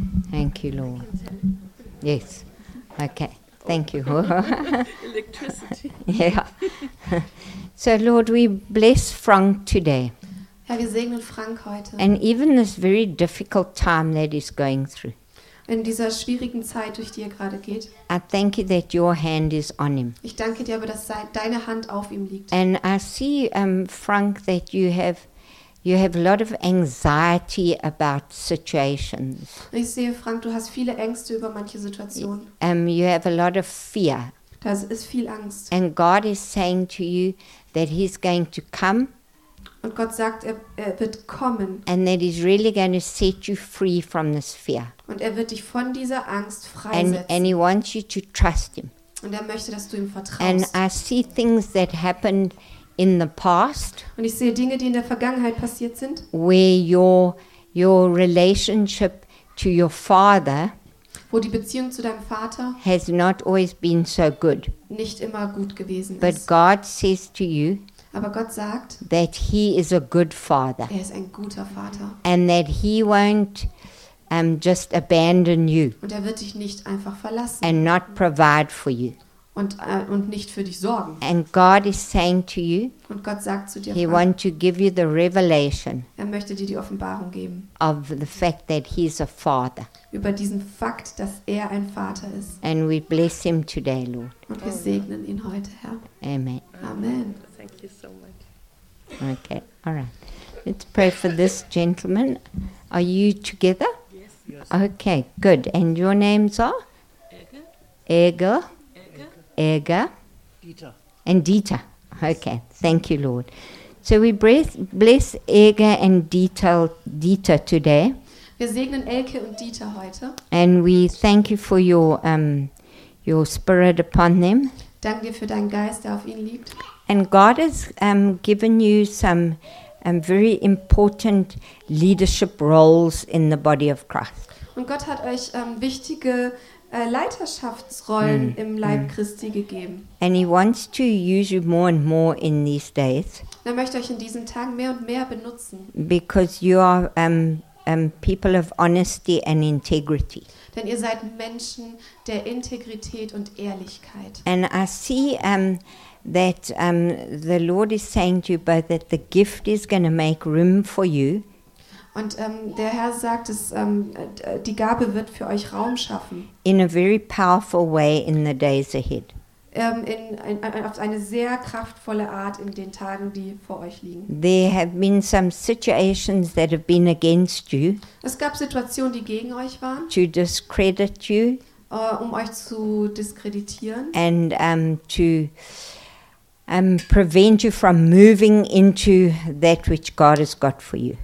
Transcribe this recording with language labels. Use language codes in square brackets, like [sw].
[en] Thank you, Lord. Yes. Okay. Thank you. Electricity. Yeah. So, Lord, we bless Frank today. [de] Ja, wir segnen Frank heute. [en] And even this very difficult time that he's going through. [de] In dieser schwierigen Zeit, durch die er gerade geht. [en] I thank you that your hand is on him. [de] Ich danke dir aber, dass deine Hand auf ihm liegt. [en] And I see, Frank, that you have, You have a lot of anxiety about situations. [de] Ich sehe, Frank, du hast viele Ängste über manche Situationen. [en] You have a lot of fear. [de] Das ist viel Angst. [en] And God is saying to you that he's going to come. [de] Und Gott sagt, er wird kommen. [en] And that he's really going to set you free from this fear. [de] Und er wird dich von dieser Angst freisetzen. [en] And he wants you to trust him. [de] Und er möchte, dass du ihm vertraust. [en] And I see things that happened in the past. [de] Und ich sehe Dinge, die in der Vergangenheit passiert sind. [en] Where your relationship to your father, [de] wo die Beziehung zu deinem Vater, [en] has not always been so good. [de] Nicht immer gut gewesen [en] but [de] ist. [en] But God says to you, [de] aber Gott sagt, [en] that he is a good father. [de] Er ist ein guter Vater. [en] And that he won't just abandon you. [de] Und er wird dich nicht einfach verlassen. [en] And not provide for you. [de] Und nicht für dich sorgen. [en] And God is saying to you, [de] und Gott sagt zu dir, [en] he wants to give you the revelation. [de] Er möchte dir die Offenbarung geben. [en] Of the fact that he is a father. [de] Über diesen Fakt, dass er ein Vater ist. [en] And we bless him today, Lord. [de] Und wir segnen ihn heute, Herr. [en] Amen. Amen. Thank you so much. Okay, all right. Let's pray for this gentleman. Are you together? Yes. Okay, good. And your names are? Egger. Egger. Dieter. And Dieter. Okay, thank you, Lord. So we bless Egger and Dieter today. [de] Wir segnen Elke und Dieter heute. [en] And we thank you for your spirit upon them. [de] Danke dir für deinen Geist, der auf ihn liegt. [en] And God has given you some very important leadership roles in the body of Christ. [de] Und Gott hat euch wichtige Leiterschaftsrollen im Leib Christi gegeben. [en] And he wants to use you more and more in these days. [de] Er möchte euch in diesen Tagen mehr und mehr benutzen. [en] Because you are people of honesty and integrity. [de] Denn ihr seid Menschen der Integrität und Ehrlichkeit. [en] And I see that the Lord is saying to you both that the gift is going to make room for you. [de] Und der Herr sagt, dass die Gabe wird für euch Raum schaffen. [en] In a very powerful way in the days ahead. [de] Auf eine sehr kraftvolle Art in den Tagen, die vor euch liegen. [en] There have been some situations that have been against you. [de] Es gab Situationen, die gegen euch waren. [en] To discredit you. [de] Um euch zu diskreditieren. [en] And to prevent you from moving into that which God has got for you.